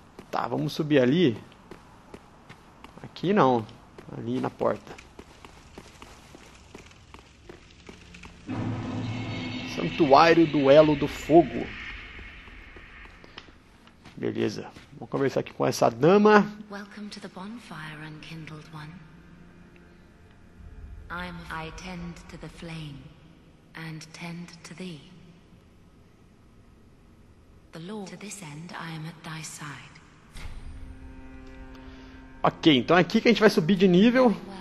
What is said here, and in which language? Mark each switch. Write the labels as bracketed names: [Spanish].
[Portuguese] Tá, vamos subir ali. Aqui não. Ali na porta. Santuário do Elo do Fogo. Beleza. Vamos conversar aqui com essa dama. [English] Welcome to the bonfire, unkindled one. I tend to the flame and tend to thee. The Lord, to this end I am at thy side. [Portuguese] Ok, então é aqui que a gente vai subir de nível.